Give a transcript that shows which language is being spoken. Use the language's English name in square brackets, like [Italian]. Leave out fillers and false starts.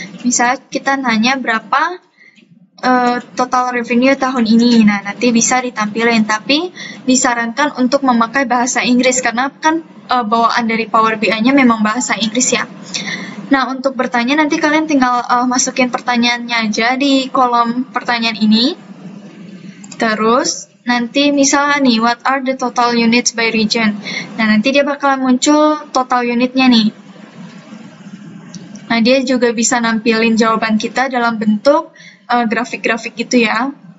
[Indonesian] Misalnya kita nanya berapa total revenue tahun ini. Nah, nanti bisa ditampilin, tapi disarankan untuk memakai bahasa Inggris karena kan bawaan dari Power BI-nya memang bahasa Inggris ya. Nah, untuk bertanya nanti kalian tinggal masukin pertanyaannya aja di kolom pertanyaan ini. Terus nanti misalnya nih, [English] what are the total units by region? [Indonesian] Nah, nanti dia bakalan muncul total unitnya nih. Nah, dia juga bisa nampilin jawaban kita dalam bentuk grafik-grafik gitu ya.